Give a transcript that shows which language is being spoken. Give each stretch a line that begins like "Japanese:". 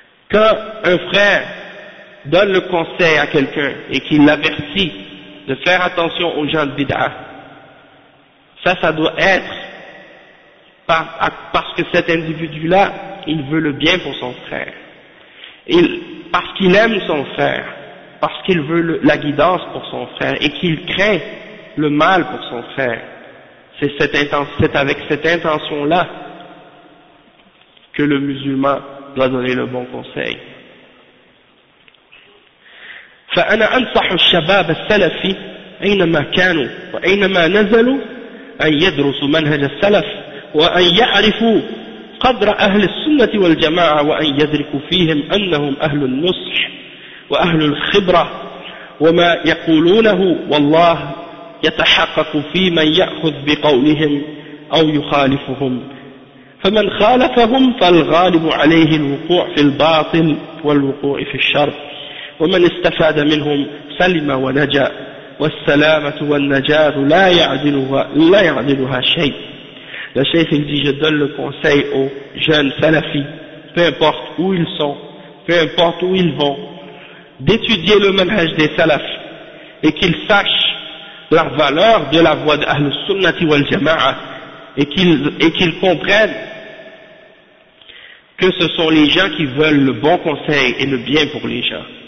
French: quand un frère donne le conseil à quelqu'un et qu'il l'avertit de faire attention aux gens de bid'a, ça doit être parce que cet individu-là, il veut le bien pour son frère, parce qu'il aime son frère, parce qu'il veut la guidance pour son frère et qu'il craint le mal pour son frère. C'est avec cette intention-là que le musulman doit donner le bon conseil.
Arabic: فأنا أنصح الشباب السلفي أينما كانوا وأينما نزلوا أن يدرسوا منهج السلف وأن يعرفوا قدر أهل السنة والجماعة وأن يدركوا فيهم أنهم أهل النصح وأهل الخبرة وما يقولونه والله يتحقق في من يأخذ بقولهم أو يخالفهم فمن خالفهم فالغالب عليه الوقوع في الباطل والوقوع في الشر ومن استفاد منهم سلم ونجا والسلامة والنجاة لا يعدلها شيء.
French: La chef dit, je donne le conseil aux jeunes salafis, peu importe où ils sont, peu importe où ils vont, d'étudier le manhaj des salafs et qu'ils sachent la valeur de la voie d'Ahlus Sunnati wal Jama'a et qu'ils comprennent que ce sont les gens qui veulent le bon conseil et le bien pour les gens.